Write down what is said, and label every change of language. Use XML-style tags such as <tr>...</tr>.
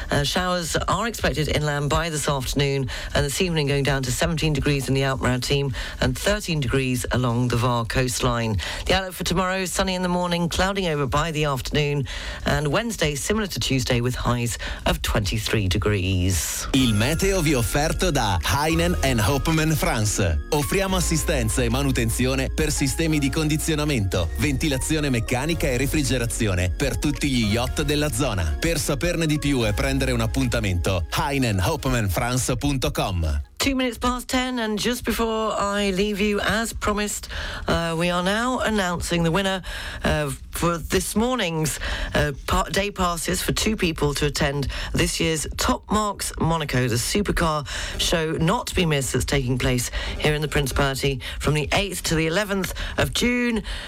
<en>Showers are expected inland by this afternoon, and this evening going down to 17 degrees in the Outremer and 13 degrees along the Var coastline. The outlook for tomorrow, sunny in the morning, clouding over by the afternoon, and Wednesday similar to Tuesday with highs of 23 degrees.</en> <it>Il meteo vi offerto da Heinen and Hopman France. Offriamo assistenza e manutenzione per sistemi di condizionamento, ventilazione meccanica e refrigerazione per tutti gli yacht della zona. Per saperne di più e prendere un appuntamento, heinenhopmanfrance.com.</it> <en>2 minutes past 10, and just before I leave you, as promised, we are now announcing the winner for this morning's day passes for two people to attend this year's Top Marks Monaco, the supercar show not to be missed that's taking place here in the Principality from the 8th to the 11th of June.</en>